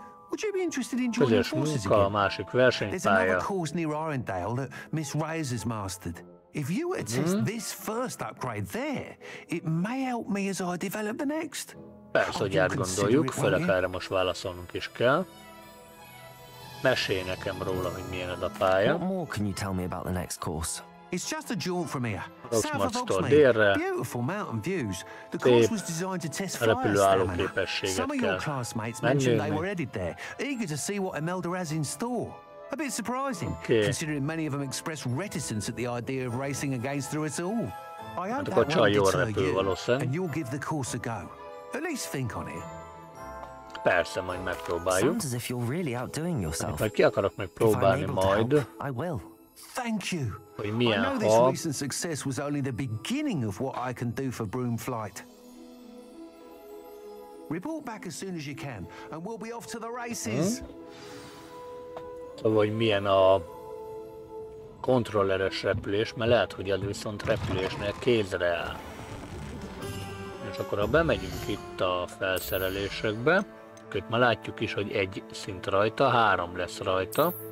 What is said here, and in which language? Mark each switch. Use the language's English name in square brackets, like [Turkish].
[English] Would you be interested in joining forces again? There's another course near Irondale that Miss Reyes has mastered. If you were to test this first upgrade there, it may help me as I develop the next. [Hungarian] Persze, hogy átgondoljuk, főleg erre most válaszolnunk is kell. Mesélj nekem róla, hogy milyen ez a pálya. [English] What more can you tell me about the next course? It's just a jaunt from here. [Hungarian] Rocksmart-tól délre. [English] Beautiful mountain views. The course was designed to test fire stamina. Some of your classmates mentioned they were headed there, eager to see what Imelda has in store. A bit surprising, considering many of them expressed reticence at the idea of racing against through us all. I hope that won't deter you, and you'll give the course a go. At least think on it. [Hungarian] Persze, majd megpróbáljuk. [English] Sounds as if you're really outdoing yourself. [Hungarian] Majd ki akarok megpróbálni majd. [English] I will. Thank you. [Hungarian] Hogy milyen, [English] I know this recent success was only the beginning of what I can do for Broom Flight. Report back as soon as you can, and we'll be off to the races. [Hungarian] Vagy milyen a kontrolleres repülés, mert lehet, hogy az viszont repülésnél kézre áll. És akkor ha bemegyünk itt a felszerelésekbe, akkor már látjuk is, hogy egy szint rajta, három lesz rajta.